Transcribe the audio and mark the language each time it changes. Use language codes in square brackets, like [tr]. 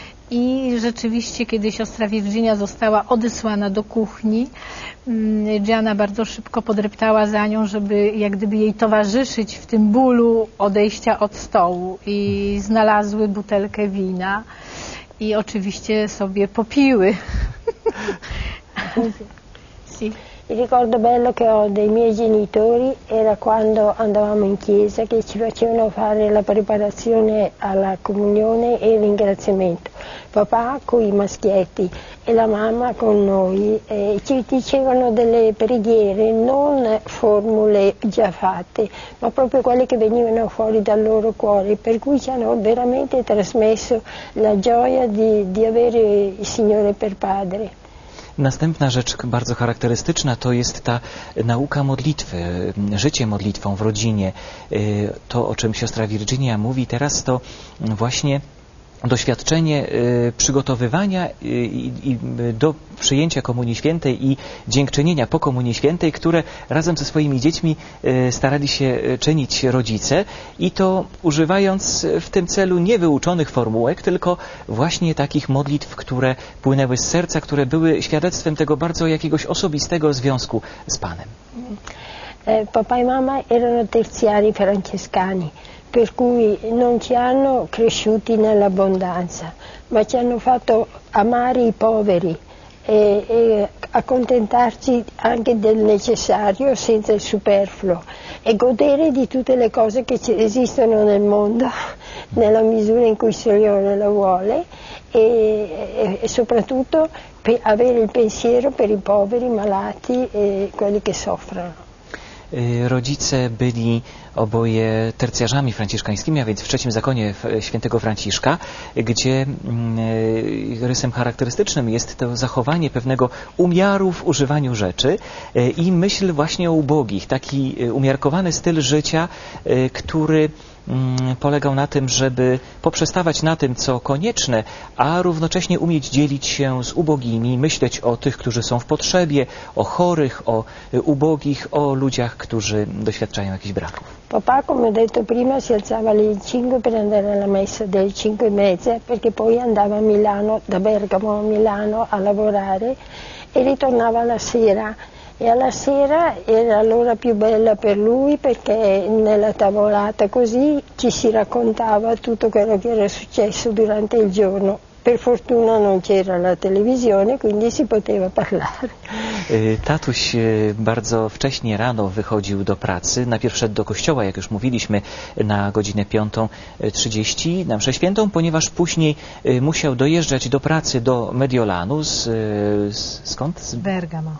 [pl] I rzeczywiście, kiedy siostra Virginia została odesłana do kuchni, Gianna bardzo szybko podreptała za nią, żeby jak gdyby jej towarzyszyć w tym bólu odejścia od stołu. I znalazły butelkę wina i oczywiście sobie popiły. [it] Sì. Il ricordo bello che ho dei miei genitori era quando andavamo in chiesa che ci facevano fare la preparazione alla comunione e il ringraziamento. Papà con i maschietti e la mamma con noi ci dicevano delle preghiere, non formule già fatte, ma proprio quelle che venivano fuori dal loro cuore, per cui ci hanno veramente trasmesso la gioia di avere il Signore per padre. [pl] Następna rzecz bardzo charakterystyczna to jest ta nauka modlitwy, życie modlitwą w rodzinie. To, o czym siostra Virginia mówi teraz, to właśnie doświadczenie przygotowywania i do przyjęcia Komunii Świętej i dziękczynienia po Komunii Świętej, które razem ze swoimi dziećmi starali się czynić rodzice i to używając w tym celu niewyuczonych formułek, tylko właśnie takich modlitw, które płynęły z serca, które były świadectwem tego bardzo jakiegoś osobistego związku z Panem. papà e mamma erano terziari francescani, per cui non ci hanno cresciuti nell'abbondanza, ma ci hanno fatto amare i poveri e accontentarci anche del necessario senza il superfluo e godere di tutte le cose che esistono nel mondo nella misura in cui il Signore lo vuole e soprattutto per avere il pensiero per i poveri, i malati e quelli che soffrono. Rodzice byli oboje tercjarzami franciszkańskimi, a więc w trzecim zakonie świętego Franciszka, gdzie rysem charakterystycznym jest to zachowanie pewnego umiaru w używaniu rzeczy i myśl właśnie o ubogich, taki umiarkowany styl życia, który polegał na tym, żeby poprzestawać na tym, co konieczne, a równocześnie umieć dzielić się z ubogimi, myśleć o tych, którzy są w potrzebie, o chorych, o ubogich, o ludziach, którzy doświadczają jakichś braków. [it] Papà, come ho detto prima, si alzava alle 5 per andare alla messa delle 5:30, perché poi andava a Milano, da Bergamo a Milano, a lavorare e ritornava la sera. E alla sera era l'ora più bella per lui, perché nella tavolata così ci si raccontava tutto quello che era successo durante il giorno. Per fortuna non c'era la televisione, quindi si poteva parlare. [pl] Tatuś bardzo wcześnie rano wychodził do pracy. Najpierw szedł do kościoła, jak już mówiliśmy, na godzinę 5:30, na mszę świętą, ponieważ później musiał dojeżdżać do pracy do Mediolanu. Skąd? Z Bergamo.